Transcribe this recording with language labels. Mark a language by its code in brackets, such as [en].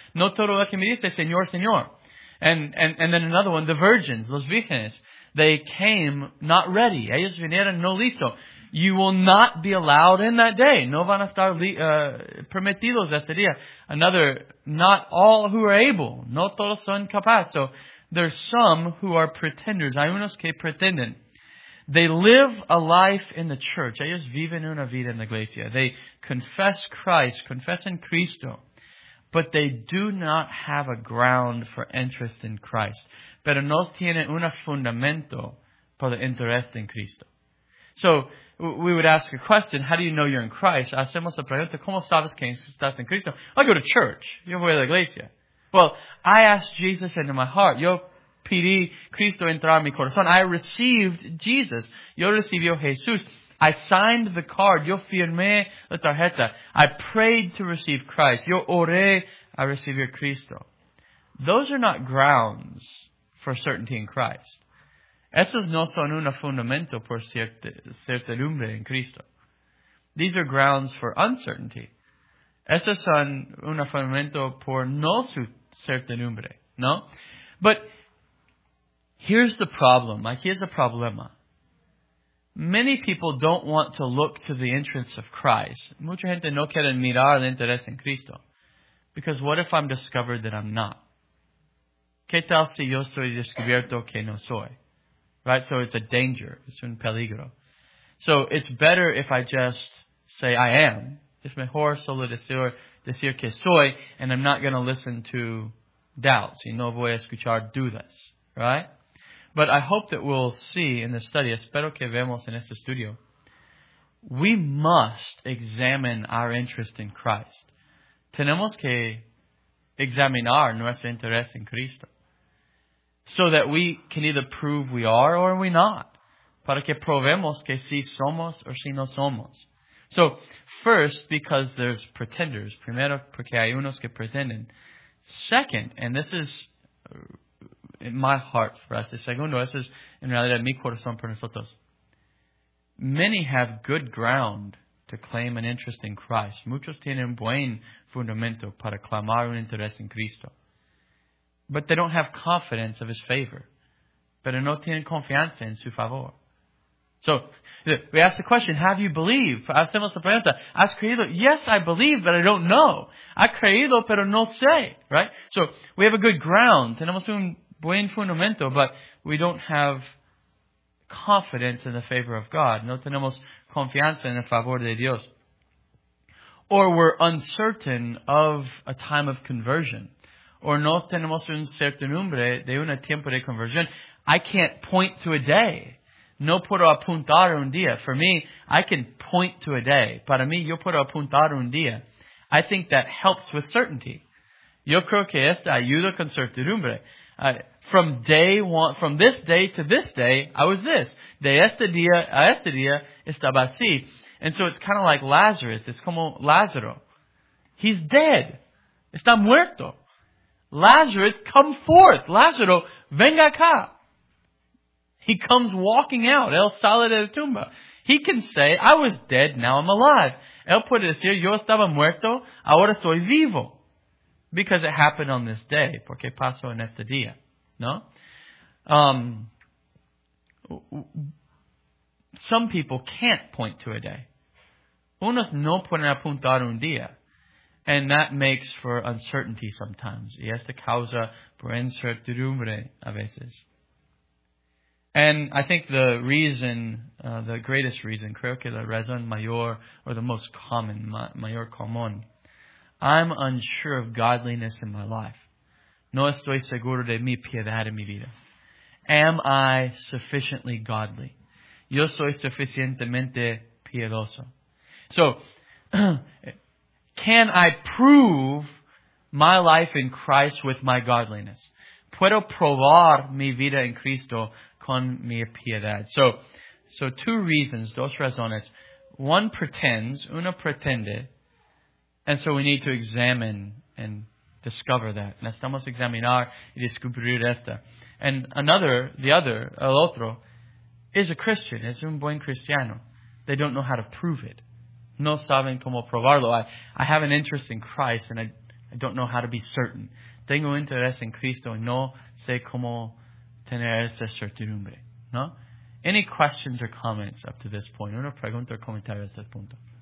[es] No todo lo que me dice, Señor, Señor. [en] And then another one, the virgins, [es] los vírgenes. [en] They came not ready. [es] Ellos vinieron no listo. [en] You will not be allowed in that day. [es] No van a estar permitidos ese día. [en] Another, not all who are able. [es] No todos son capaces. [en] So, there's some who are pretenders. [es] Hay unos que pretenden. [en] They live a life in the church. [es] Ellos viven una vida en la iglesia. [en] They confess Christ, [es] confessan Cristo. [en] But they do not have a ground for interest in Christ. [es] Pero no tienen un fundamento para el interés en Cristo. [en] So, we would ask a question, how do you know you're in Christ? [es] Hacemos la pregunta, ¿cómo sabes que estás en Cristo? [en] I go to church. [es] Yo voy a la iglesia. [en] Well, I asked Jesus into my heart. [es] Yo pedí Cristo entrar en mi corazón. [en] I received Jesus. [es] Yo recibió Jesús. [en] I signed the card. [es] Yo firmé la tarjeta. [en] I prayed to receive Christ. [es] Yo oré a recibir Cristo. [en] Those are not grounds for certainty in Christ. [es] Esos no son un fundamento por certidumbre en Cristo. [en] These are grounds for uncertainty. [es] Esos son un fundamento por no su certidumbre, ¿no? [en] But here's the problem. [es] Aquí es el problema. [en] Many people don't want to look to the entrance of Christ. [es] Mucha gente no quiere mirar el interés en Cristo. [en] Because what if I'm discovered that I'm not? [es] ¿Qué tal si yo estoy descubierto que no soy? [en] Right, so it's a danger, it's [es] un peligro. [en] So it's better if I just say I am. [es] Es mejor solo decir que soy, [en] and I'm not going to listen to doubts. [es] Y no voy a escuchar dudas. [en] Right? But I hope that we'll see in the study, [es] espero que vemos en este estudio, [en] we must examine our interest in Christ. [es] Tenemos que examinar nuestro interés en Cristo. [en] So that we can either prove we are or we not. [es] Para que probemos que si somos o si no somos. [en] So, first, because there's pretenders. [es] Primero, porque hay unos que pretenden. [en] Second, and this is in my heart for us. [es] Segundo, eso es en realidad mi corazón por nosotros. [en] Many have good ground to claim an interest in Christ. [es] Muchos tienen buen fundamento para clamar un interés en Cristo. [en] But they don't have confidence of his favor. [es] Pero no tienen confianza en su favor. [en] So, we ask the question, have you believed? [es] Hacemos la pregunta, ¿has creído? [en] Yes, I believe, but I don't know. [es] Ha creído, pero no sé. [en] Right? So, we have a good ground. [es] Tenemos un buen fundamento, [en] but we don't have confidence in the favor of God. [es] No tenemos confianza en el favor de Dios. [en] or we're uncertain of a time of conversion, [es] or no tenemos un certidumbre de un tiempo de conversión. [en] I can't point to a day. [es] No puedo apuntar un día. [en] For me, I can point to a day. [es] Para mí, yo puedo apuntar un día. [en] I think that helps with certainty. [es] Yo creo que esta ayuda con certidumbre. [en] From day one, from this day to this day, I was this. [es] De este día a este día, estaba así. [en] And so it's kind of like Lazarus. It's [es] como Lázaro. [en] He's dead. [es] Está muerto. [en] Lazarus, come forth. [es] Lázaro, venga acá. [en] He comes walking out. [es] Él sale de la tumba. [en] He can say, I was dead, now I'm alive. [es] Él puede decir, yo estaba muerto, ahora soy vivo. [en] Because it happened on this day. [es] Porque pasó en este día. No? [en] Some people can't point to a day. [es] Unos no pueden apuntar un día. [en] And that makes for uncertainty sometimes. [es] Y esta causa por incertidumbre a veces. [en] And I think the reason, the greatest reason, [es] creo que la razón mayor, [en] or the most common, [es] mayor común, [en] I'm unsure of godliness in my life. [es] No estoy seguro de mi piedad en mi vida. [en] Am I sufficiently godly? [es] Yo soy suficientemente piedoso. [en] So, can I prove my life in Christ with my godliness? [es] Puedo probar mi vida en Cristo con mi piedad. [en] So two reasons, [es] dos razones. [en] One pretends, [es] uno pretende, [en] and so we need to examine and discover that. [es] Necesitamos examinar y descubrir esta. [en] And another, [es] el otro, [en] is a Christian, [es] es un buen cristiano. [en] They don't know how to prove it. [es] No saben cómo probarlo. [en] I have an interest in Christ, and I don't know how to be certain. [es] Tengo interés en Cristo, y no sé cómo tener esa certidumbre, ¿no? [en] Any questions or comments up to this point? [es] Una pregunta o comentario a este punto.